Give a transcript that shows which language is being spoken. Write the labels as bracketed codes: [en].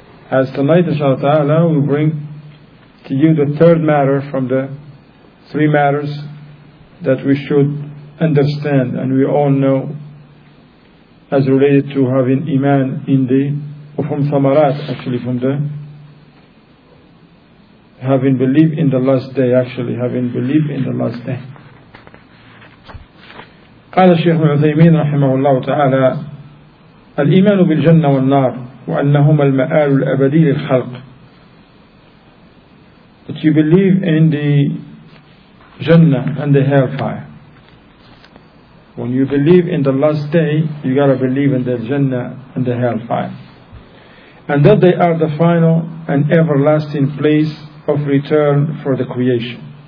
[en] As tonight, inshallah ta'ala, we bring to you the third matter from the three matters that we should understand, and we all know as related to having Iman in the, or from Thamarat, actually from the having belief in the last day, actually having belief in the last day. [ar] قال الشيخ العثيمين رحمه الله تعالى الإيمان بالجنة والنار وأنهما المآل الأبدي للخلق. [en] That you believe in the Jannah and the Hellfire. When you believe in the last day, you gotta believe in the Jannah and the Hellfire. And that they are the final and everlasting place of return for the creation.